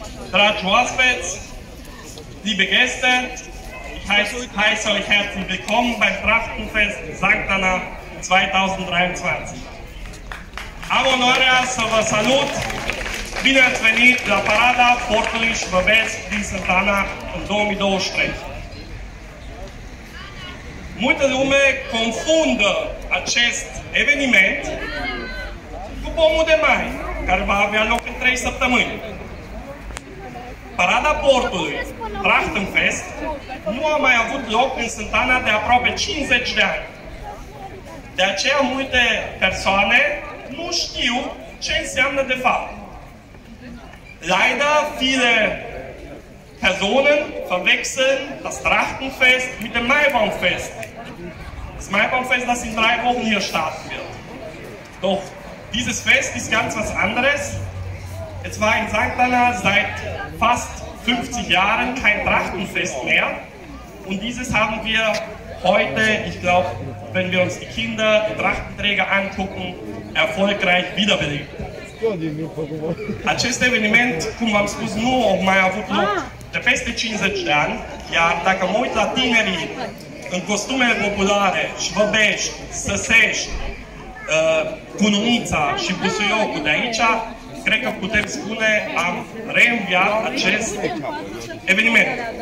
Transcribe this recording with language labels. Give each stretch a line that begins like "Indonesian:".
Romanian: Dragi oaspeți,
German: liebe Gäste, ich heiße euch herzlich willkommen beim Trachtenfest Sankt Anna 2023.
Romanian: Am onoarea să vă salut. Bine ați venit la parada portului și văbesc din Sankt Anna în 2023. Multă lume confundă acest eveniment cu pomul de mai, care va avea loc în 3 săptămâni. Parada portului, Trachtenfest, nu a mai avut loc în Sankt Anna de aproape 50 de ani. De aceea multe persoane nu știu ce înseamnă de fapt.
German: Leider viele Personen verwechseln das Trachtenfest mit dem Maibaumfest. Das Maibaumfest, das in 3 Wochen hier starten wird. Doch dieses Fest ist ganz was anderes. Es war in Sankt Anna seit fast 50 Jahren kein Trachtenfest mehr. Und dieses haben wir heute, ich glaube, wenn wir uns die Kinder, die Trachtenträger angucken, erfolgreich wiederbelebt.
Romanian: Acest eveniment, cum v-am spus, nu a mai avut loc de peste 50 de ani, iar dacă mă uit la tinerii în costumele populare, Șvăbești, Săsești, Cununița și Busuiocul de aici, cred că putem spune, am reînviat acest eveniment.